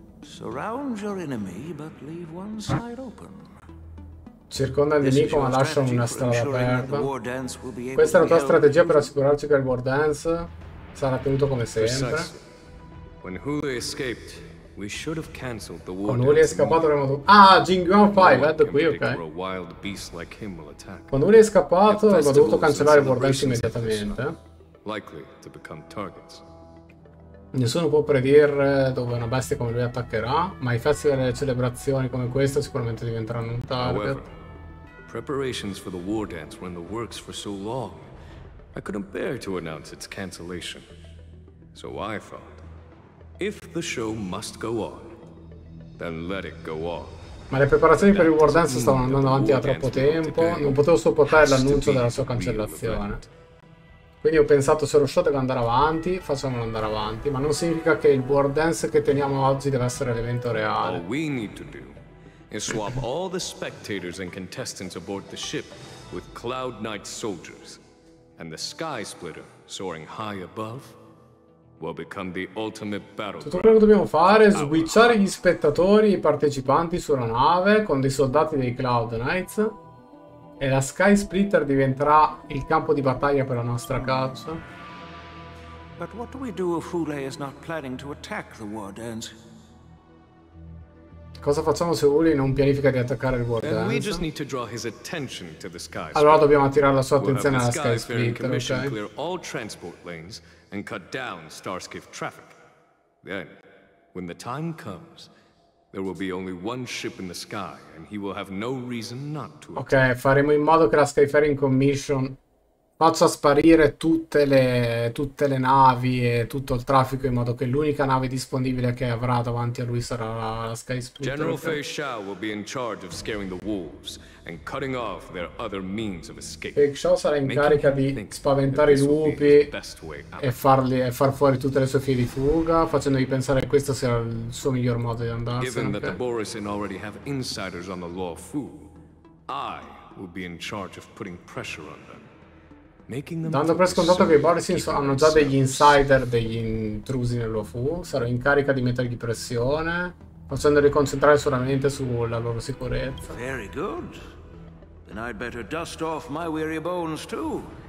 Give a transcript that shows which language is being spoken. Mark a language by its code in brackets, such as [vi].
[en] Surround your enemy, but leave one side open. [it] Circonda il nemico ma lascia una strada aperta. Questa è la tua strategia per assicurarci che il war dance sarà tenuto come sempre. [en] When Hulei escaped, we should have cancelled the war. [it] Quando Hulei è scappato avremmo dovuto. Ah, Jing Yuan Fai, vedo qui, ok. Quando Hulei è scappato avremmo dovuto cancellare il war dance immediatamente. [en] likely to become targets. [it] Nessuno può predire dove una bestia come lui attaccherà, ma i festival delle celebrazioni come questa sicuramente diventeranno un target. [en] Preparations for the war dance were in the works for so long, I couldn't bear to announce its cancellation. So I thought, if the show must go on, then let it go on. [it] Ma le preparazioni per il war dance stavano andando avanti da troppo tempo, non potevo sopportare l'annuncio della sua cancellazione. Quindi ho pensato, se lo show deve andare avanti, facciamolo andare avanti, ma non significa che il war dance che teniamo oggi deve essere l'evento reale. [en] All we need to do is swap all the spectators and contestants aboard the ship with Cloud Knight soldiers, and the Sky Splitter soaring high above will become the ultimate battle. [it] Tutto quello che dobbiamo fare è switchare gli spettatori, i partecipanti sulla nave con dei soldati dei Cloud Knights. E la Sky Splitter diventerà il campo di battaglia per la nostra caccia. [en] But what do we do if Hule is not planning to attack the Wardens? [it] Cosa facciamo se Hule non pianifica di attaccare il [en] Wardens? [it] Allora dobbiamo attirare la sua attenzione alla Sky Splitter, ok? [en] Clear all transport lanes and cut down Starskiff traffic. Then, when the time comes, there will be only one ship in the sky and he will have no reason not to. [it] Ok, faremo in modo che la Skyfaring Commission faccia sparire tutte le navi e tutto il traffico, in modo che l'unica nave disponibile che avrà davanti a lui sarà la Sky Splitter. [en] General Fei Shao will be in charge of scaring the wolves and cutting off their other means of escape. [it] Fei Shao sarà in carica di spaventare i lupi e far fuori tutte le sue vie di fuga, facendogli pensare che questo sia il suo miglior modo di andarsene. [en] Given that the Borisin already have insiders on the Law Fu, I will be in charge of putting pressure on them. [it] Dando per scontato che i Borisins hanno già degli insider, degli intrusi nello Fu, sarò in carica di mettergli pressione, facendoli concentrare solamente sulla loro sicurezza. [en] Very good. Then I'd better dust off my weary bones too.